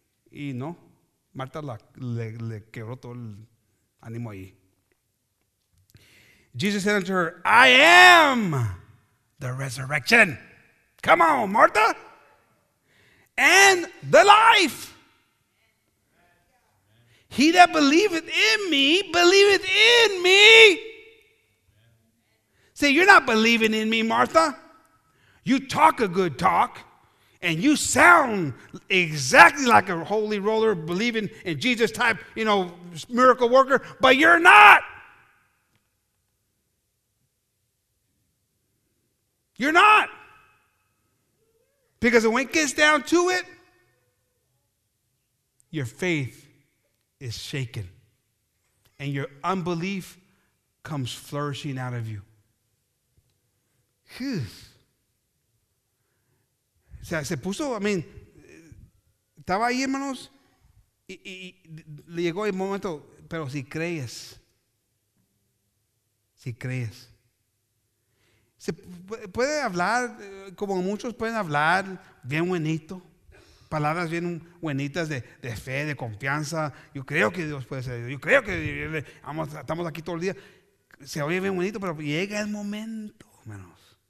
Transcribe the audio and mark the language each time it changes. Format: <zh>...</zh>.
<es>Y no, Marta le quebró todo el ánimo ahí.</es> <en>Jesus said unto her, I am the resurrection. Come on, Marta. And the life. He that believeth in me. See, you're not believing in me, Martha. You talk a good talk, and you sound exactly like a holy roller believing in Jesus type, you know, miracle worker, but you're not. You're not. Because when it gets down to it, your faith is shaken, and your unbelief comes flourishing out of you. Whew.</en> <es>O sea, se puso,</es> <en>I mean,</en> <es>estaba ahí, hermanos, y le llegó el momento, pero si crees, se puede hablar, como muchos pueden hablar, bien bonito, palabras bien buenitas de fe, de confianza, yo creo que Dios puede ser, yo creo que estamos aquí todo el día, se oye bien bonito, pero llega el momento, hermanos.</es>